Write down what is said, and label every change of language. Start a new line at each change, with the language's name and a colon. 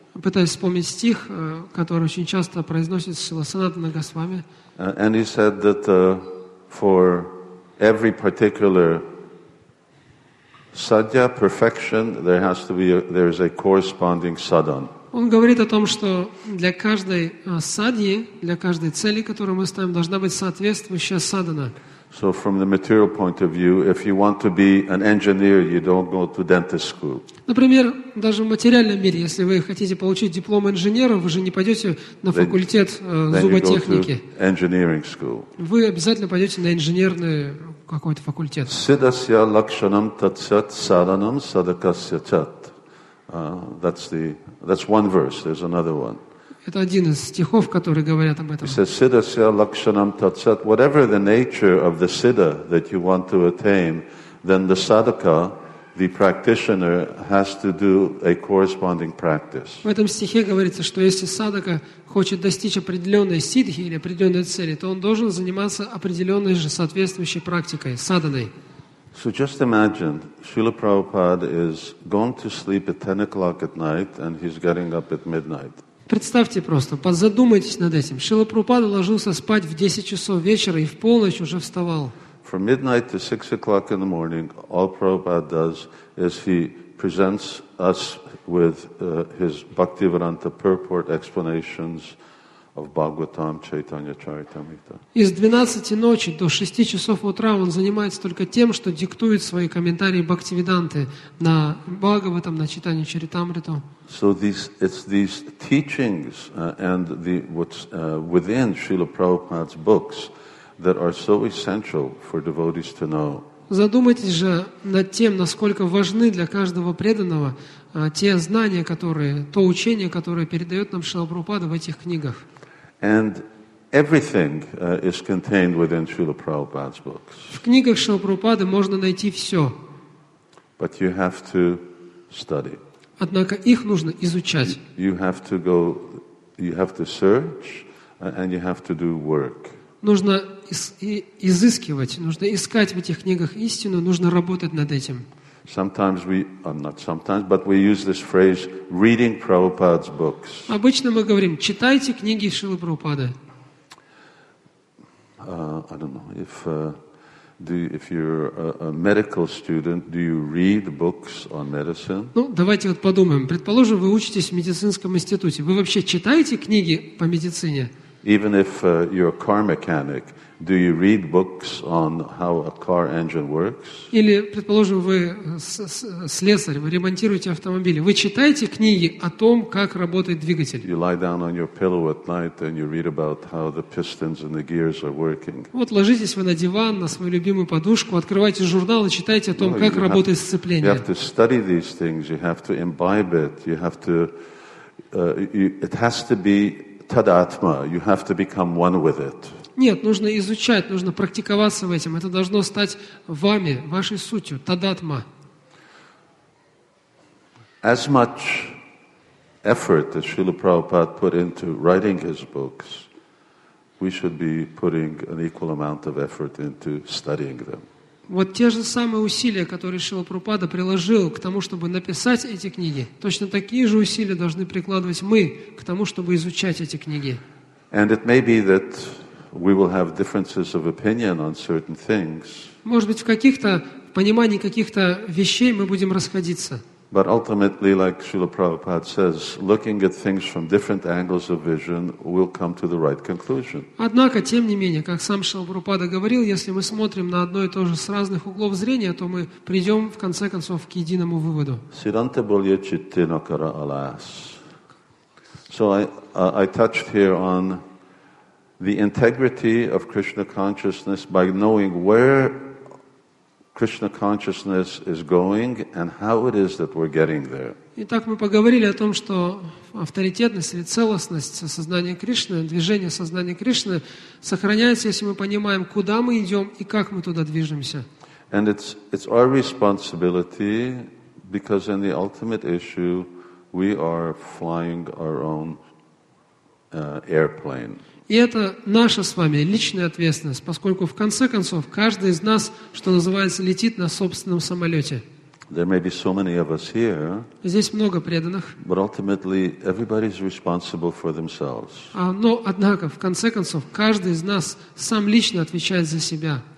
Russian: Пытаюсь вспомнить стих, который очень часто произносит Шрила Санатана Госвами.
English: And he said that for every particular sadhya, perfection, there has to be there is a corresponding sadhan.
Russian: Он говорит о том, что для каждой садьи, для каждой цели, которую мы ставим, должна быть соответствующая садхана.
English: So from the material point of view, if you want to be an engineer, you don't go to dentist school.
Russian: Например, даже в материальном мире, если вы хотите получить диплом инженера, вы же не пойдете на факультет зуботехники.
English: Then you go to engineering school.
Russian: Вы обязательно пойдете на инженерный какой-то факультет.
Sanskrit: Siddhasya lakshanam tatsyat sadhanam sadhakasya chat.
English: That's one verse. There's another one.
Russian: Это один из стихов, которые говорят об этом.
English: He says,
Sanskrit: siddhasya lakshanam tatsat.
English: Whatever the nature of the siddha that you want to attain, then the sadhaka, the practitioner, has to do a corresponding practice.
Russian: В этом стихе говорится, что если садхака хочет достичь определенной сиддхи или определенной цели, то он должен заниматься определенной же соответствующей практикой, садханой.
English: So just imagine, Srila Prabhupada is going to sleep at 10 o'clock at night and he's getting up at midnight.
Russian: Представьте просто, подзадумайтесь над этим. Шрила Прабхупада ложился спать в 10 часов вечера и в полночь уже вставал.
English: From midnight to 6 o'clock in the morning, all Prabhupada does is he presents us with his Bhaktivedanta purport explanations of Bhagavatam, Chaitanya Charitamrita.
Russian: Из 12 ночи до 6 часов утра он занимается только тем, что диктует свои комментарии Бхактивиданты на Бхагаватам, на Чайтанью Чаритамриту.
English: So it's these teachings and the what's within Srila Prabhupada's books that are so essential for devotees to know.
Russian: Задумайтесь же над тем, насколько важны для каждого преданного те знания, которые, то учение, которое передает нам Шрила Прабхупада в этих книгах.
English: And everything is contained within Srila Prabhupada's books.
Russian: В книгах Шрила Прабхупады можно найти все.
English: But you have to study.
Russian: Однако их нужно изучать.
English: You have to search, and you have to do work.
Russian: Нужно изыскивать, нужно искать в этих книгах истину, нужно работать над этим.
English: Sometimes we, not sometimes, but we use this phrase, reading Prabhupada's books.
Russian: Обычно мы говорим, читайте книги Шрилы Прабхупады.
English: I don't know, if you're a medical student, do you read books on medicine?
Russian: Ну, давайте вот подумаем. Предположим, вы учитесь в медицинском институте. Вы вообще читаете книги по медицине?
English: Even if you're a car mechanic, do you read books on how a car engine works?
Russian: Или, предположим, вы слесарь, вы ремонтируете автомобили. Вы читаете книги о том, как работает двигатель?
English: You lie down on your pillow at night and you read about how the pistons and the gears are working.
Russian: Вот ложитесь вы на диван, на свою любимую подушку, открываете журнал и читаете о том, как работает сцепление.
English: You have to study these things, you have to imbibe it, you have to... it has to be... Tadatma, you have to become one with it.
Russian: Нет, нужно изучать, нужно практиковаться в этом. Это должно стать вами, вашей сутью, тадатма.
English: As much effort as Srila Prabhupada put into writing his books, we should be putting an equal amount of effort into studying them.
Russian: Вот те же самые усилия, которые Шрила Прабхупада приложил к тому, чтобы написать эти книги, точно такие же усилия должны прикладывать мы к тому, чтобы изучать эти книги.
English: And it may be that we will have differences of opinion on certain things.
Russian: Может быть, в каких-то понимании каких-то вещей мы будем расходиться.
English: But ultimately, like Srila Prabhupada says, looking at things from different angles of vision, we'll come to the right conclusion.
Russian: Однако, тем не менее, как сам Шрила Прабхупада говорил, если мы смотрим на одно и то же с разных углов зрения, то мы придем, в конце концов, к единому выводу.
Bangla: Сиранте болье читте накара алас.
English: So I touched here on the integrity of Krishna consciousness by knowing where Krishna consciousness is going and how it is that we're getting there.
Russian: Итак, мы поговорили о том, что авторитетность или целостность сознания Кришны, движение сознания Кришны сохраняется, если мы понимаем, куда мы идем и как мы туда движемся.
English: And it's our responsibility because in the ultimate issue we are flying our own airplane.
Russian: И это наша с вами личная ответственность, поскольку в конце концов каждый из нас, что называется, летит на собственном самолете.
English: There may be so many of us here,
Russian: здесь много преданных.
English: But ultimately everybody's responsible for themselves.
Russian: Но, однако, в конце концов, каждый из нас сам лично отвечает за себя.